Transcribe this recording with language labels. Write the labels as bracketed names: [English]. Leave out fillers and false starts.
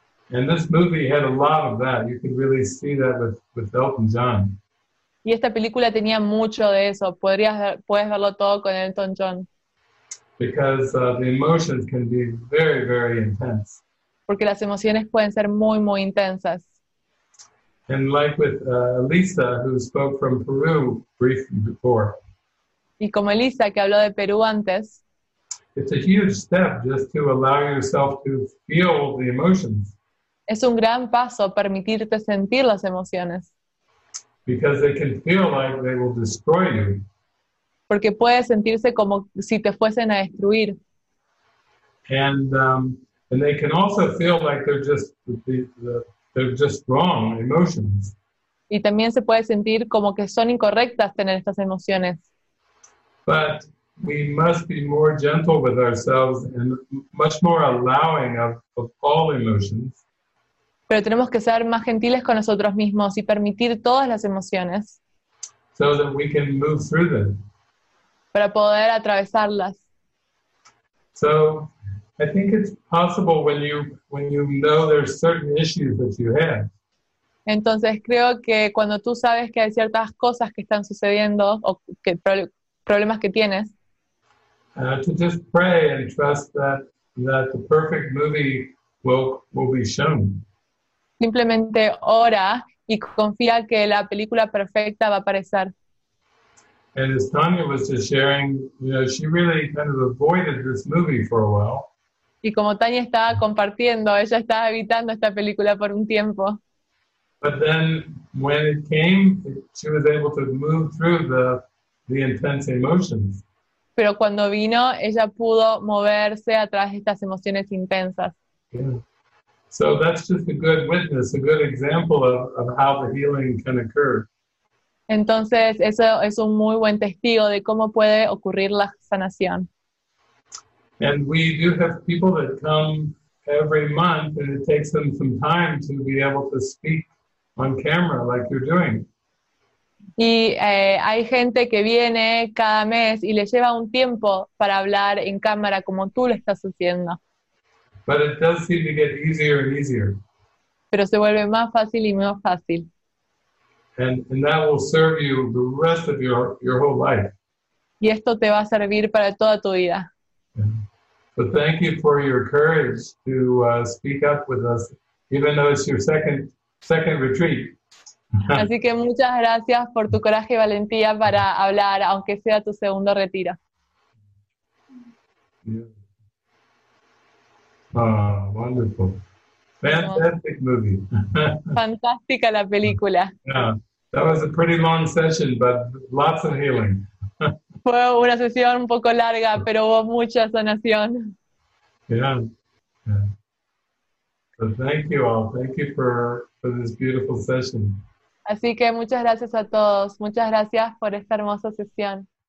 [English] And this movie had a lot of that. You could really see that with Elton John. [Spanish] Y esta película tenía mucho de eso. Puedes verlo todo con Elton John. [English] Because the emotions can be very, very intense. [Spanish] Porque las emociones pueden ser muy, muy intensas. [English] And like with Elisa, who spoke from Peru briefly before. [Spanish] Y como Elisa, que habló de Perú antes. [English] It's a huge step just to allow yourself to feel the emotions. [Spanish] Es un gran paso permitirte sentir las emociones. [English] Because they can feel like they will destroy you. [Spanish] Porque puede sentirse como si te fuesen a destruir. [English] And they can also feel like they're just they're just wrong emotions. [Spanish] Y también se puede sentir como que son incorrectas tener estas emociones. [English] But we must be more gentle with ourselves and much more allowing of all emotions. [Spanish] Pero tenemos que ser más gentiles con nosotros mismos y permitir todas las emociones. [English] So that we can move through them. [Spanish] Para poder atravesarlas. [English] So I think it's possible when you know there's certain issues that you have. [Spanish] Entonces creo que cuando tú sabes que hay ciertas cosas que están sucediendo o que problemas que tienes. [English] To just pray and trust that the perfect movie will be shown. [Spanish] Simplemente ora y confía que la película perfecta va a aparecer. [English] And as Tanya was just sharing, you know, she really kind of avoided this movie for a while. [Spanish] Y como Tania estaba compartiendo, ella estaba evitando esta película por un tiempo. [English] But then when it came, she was able to move through the intense emotions. [Spanish] pero cuando vino, ella pudo moverse a través de estas emociones intensas. [English] Yeah. So that's just a good witness, a good example of how the healing can occur. [Spanish] Entonces, eso es un muy buen testigo de cómo puede ocurrir la sanación. [English] And we do have people that come every month, and it takes them some time to be able to speak on camera like you're doing. [Spanish] Y hay gente que viene cada mes y le lleva un tiempo para hablar en cámara como tú lo estás haciendo. [English] But it does seem to get easier and easier. [Spanish] Pero se vuelve más fácil y más fácil. [English] And that will serve you the rest of your whole life. [Spanish] Y esto te va a servir para toda tu vida. [English] So thank you for your courage to speak up with us, even though it's your second retreat. [Spanish] Así que muchas gracias por tu coraje y valentía para hablar, aunque sea tu segundo retiro. [English] Wonderful. Fantastic movie. [Spanish] Fantástica la película. [English] Yeah. That was a pretty long session, but lots of healing. [Spanish] Fue una sesión un poco larga, pero hubo mucha sanación. [English] Yeah. So thank you all. Thank you for this beautiful session. [Spanish] Así que muchas gracias a todos. Muchas gracias por esta hermosa sesión.